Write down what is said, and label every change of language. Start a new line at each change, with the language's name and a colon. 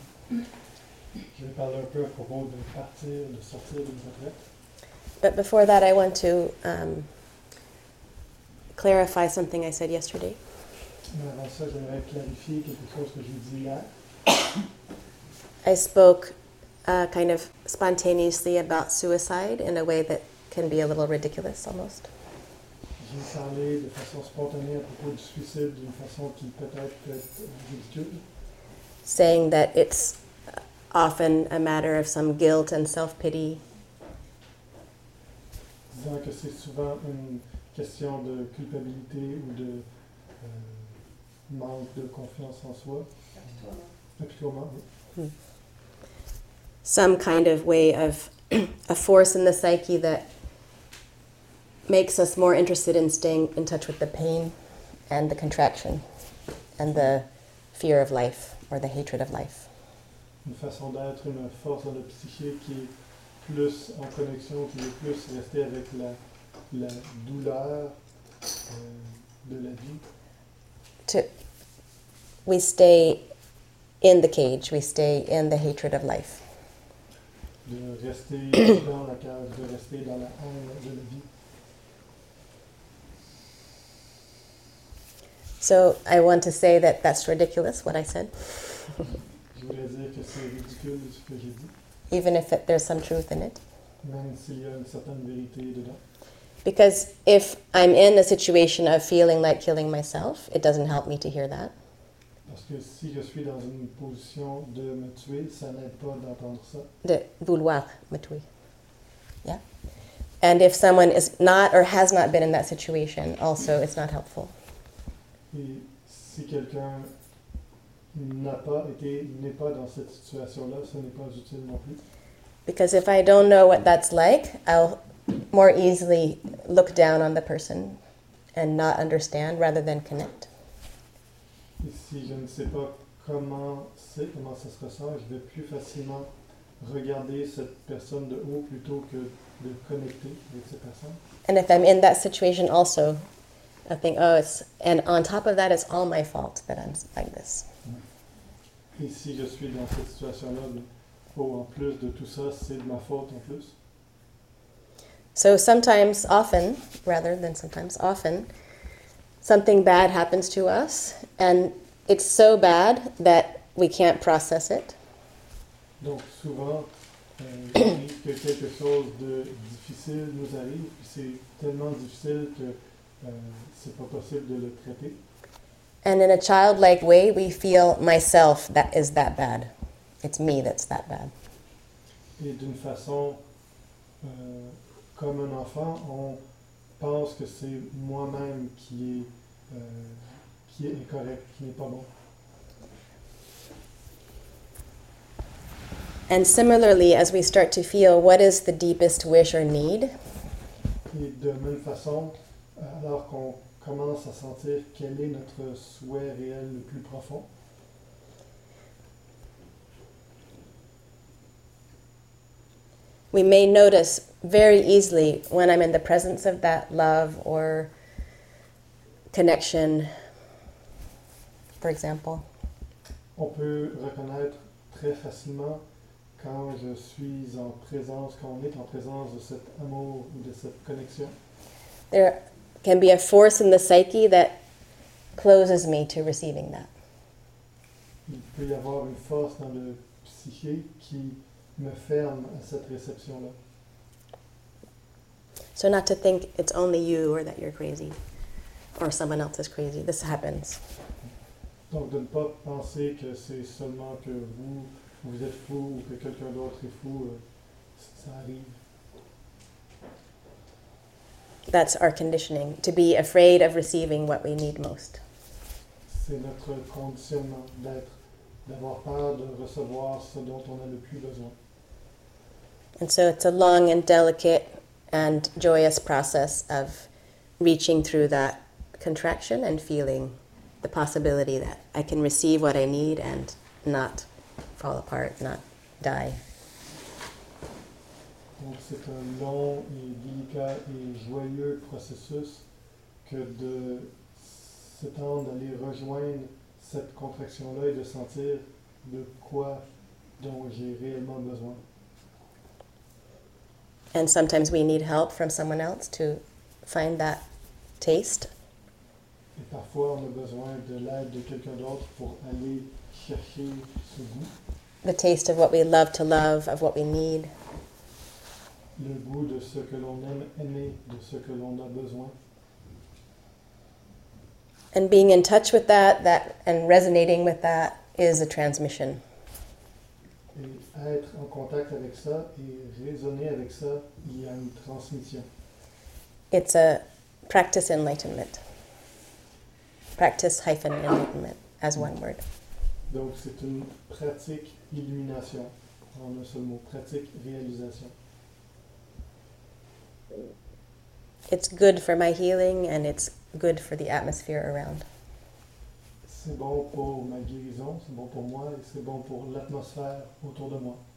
French: Je vais parler un peu à propos de partir, de sortir d'une retraite.
English: But before that, I want to clarify something I said yesterday.
French: Mais avant ça, j'aimerais clarifier quelque chose que j'ai dit hier.
English: I spoke kind of spontaneously about suicide in a way that can be a little ridiculous, almost.
French: J'ai parlé de façon spontanée à propos du suicide d'une façon qui peut-être est ridicule.
English: Saying that it's often a matter of some guilt and self-pity.
French: Disant que c'est souvent une question de culpabilité ou de manque de confiance en soi. Apitoiement. Oui.
English: Some kind of way of a force in the psyche that makes us more interested in staying in touch with the pain and the contraction and the fear of life or the hatred of life.
French: Une façon d'être, une force dans le psyché qui est plus en connexion, qui est plus restée avec la douleur de la vie.
English: We stay in the cage, we stay in the hatred of life.
French: De rester dans la cage, de rester dans la haine de la vie.
English: So I want to say that that's ridiculous, what I said.
French: Je voulais dire que c'est ridicule ce que j'ai dit.
English: Even if there's some truth in it.
French: Même s'il y a une certaine vérité dedans.
English: Because if I'm in a situation of feeling like killing myself, it doesn't help me to hear that.
French: Parce que si je suis dans une position de me tuer, ça n'aide pas d'entendre ça. De vouloir me tuer. Yeah.
English: And if someone is not or has not been in that situation, also it's not helpful.
French: Et si quelqu'un n'a pas été, n'est pas dans cette situation-là, ça n'est pas utile non plus.
English: Because if I don't know what that's like, I'll more easily look down on the person and not understand rather than connect.
French: Et si je ne sais pas comment ça se ressent, je vais plus facilement regarder cette personne de haut plutôt que de connecter avec cette personne.
English: And if I'm in that situation also, I think, oh, it's, and on top of that, it's all my fault that I'm like this.
French: Et si je suis dans cette situation-là, oh, en plus de tout ça, c'est de ma faute en plus.
English: So sometimes, often, rather than sometimes, often, something bad happens to us, and it's so bad that we can't process it.
French: Donc souvent, que quelque chose de difficile nous arrive, puis c'est tellement difficile que c'est pas possible de le traiter.
English: And in a childlike way, we feel myself that is that bad. It's me that's that bad.
French: Et d'une façon, comme un enfant, on pense que c'est moi-même qui est incorrect, qui n'est pas bon.
English: And similarly, as we start to feel, what is the deepest wish or need?
French: Et de même façon, alors qu'on commence à sentir quel est notre souhait réel le plus profond.
English: We may notice very easily when I'm in the presence of that love or connection, for example.
French: On peut reconnaître très facilement quand je suis en présence, quand on est en présence de cet amour ou de cette connexion.
English: There can be a force in the psyche that closes me to receiving that.
French: Il peut y avoir une force dans le psyché qui me ferme à cette réception-là.
English: So not to think it's only you or that you're crazy or someone else is crazy. This happens.
French: Donc de ne pas penser que c'est seulement que vous êtes fou ou que quelqu'un d'autre est fou, ça arrive.
English: That's our conditioning, to be afraid of receiving what we need most.
French: C'est notre conditionnement d'avoir peur de recevoir ce dont on a le plus besoin.
English: And so it's a long and delicate and joyous process of reaching through that contraction and feeling the possibility that I can receive what I need and not fall apart, not die.
French: Donc c'est un long et délicat et joyeux processus que de s'étendre, d'aller rejoindre cette contraction-là et de sentir de quoi dont j'ai réellement besoin.
English: And sometimes we need help from someone else to find that taste.
French: Et parfois, on a besoin de l'aide de quelqu'un d'autre pour aller chercher ce goût.
English: The taste of what we love to love, of what we need.
French: Le goût de ce que l'on aime aimer, de ce que l'on a besoin.
English: And being in touch with that and resonating with that is a transmission.
French: Et être en contact avec ça et raisonner avec ça, il y a une transmission.
English: It's a practice enlightenment. Practice hyphen enlightenment as one word.
French: Donc, c'est une pratique illumination, en un seul mot, pratique réalisation.
English: It's good for my healing and it's good for the atmosphere around.
French: C'est bon pour ma guérison, c'est bon pour moi et c'est bon pour l'atmosphère autour de moi.